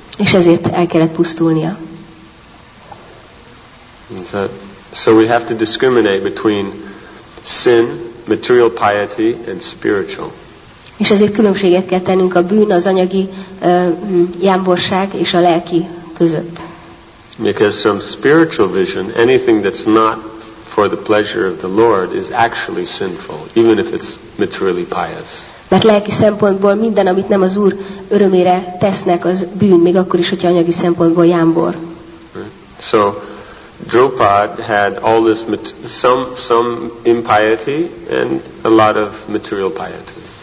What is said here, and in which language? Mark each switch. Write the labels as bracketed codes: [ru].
[hu] És ezért el kellett pusztulnia. [en] So we have to discriminate between sin, material piety and spiritual. [hu] És ezért különbséget kell tennünk a bűn, az anyagi jámborság és a lelki között. [en] Because from spiritual vision, anything that's not for the pleasure of the Lord is actually sinful, even if it's materially pious. [hu] Mert lelki szempontból minden, amit nem az Úr örömére tesznek, az bűn, még akkor is, hogyha anyagi szempontból jámbor. [en] So Draupadi had all this some impiety and a lot of material piety.